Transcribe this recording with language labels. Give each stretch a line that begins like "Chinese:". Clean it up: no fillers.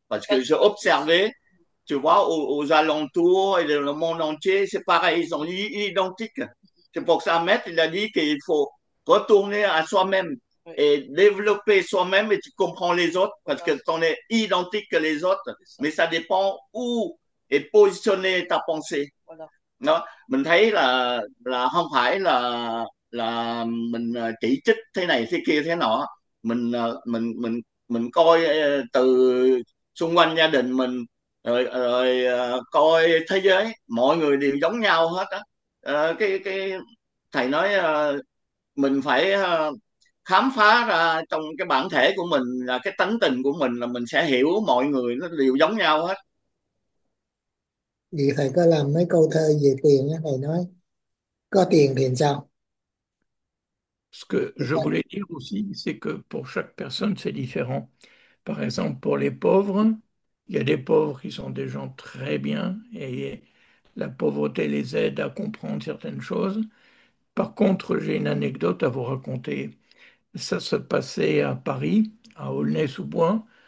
French: Parce que j'ai observé, tu vois, aux alentours et dans le monde entier, c'est pareil, ils sont identiques. C'est pour ça, Maître, il a dit qu'il faut retourner à soi-même et développer soi-même, et tu comprends les autres parce que tu en es identique que les autres, mais ça dépend où est positionnée ta pensée.
Vietnamese: Đó, mình thấy là không phải là mình chỉ trích thế này thế kia thế nọ, mình coi từ xung quanh gia đình mình rồi coi thế giới mọi người đều giống nhau hết á. Cái thầy nói mình phải khám phá ra trong cái bản thể của mình là cái tánh tình của mình là mình sẽ hiểu mọi người nó đều giống nhau hết. Thì thầy có làm mấy câu thơ về tiền á, thầy nói có tiền thì sao.
French: Ce que je voulais dire aussi, c'est que pour chaque personne, c'est différent. Par exemple, pour les pauvres, il y a des pauvres qui sont des gens très bien et la pauvreté les aide à comprendre certaines choses. Par contre, j'ai une anecdote à vous raconter. Ça se passait à Paris, à Aulnay-sous-Bois.